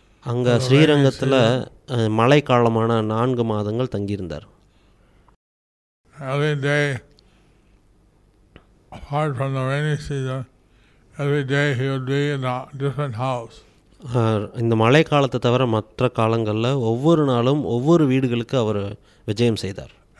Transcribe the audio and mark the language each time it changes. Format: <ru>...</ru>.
<ta>அங்கே ஸ்ரீரங்கத்தில் மழைக்காலமான 4 மாதங்கள் தங்கியிருந்தார்.</ta> <en>Every day, apart from the rainy season, every day he would be in a different house.</en> <ta>இந்த மழைக்காலத்தை தவிர மற்ற காலங்களில் ஒவ்வொரு நாளும் ஒவ்வொரு வீடுகளுக்கு அவர் விஜயம் செய்தார்.</ta>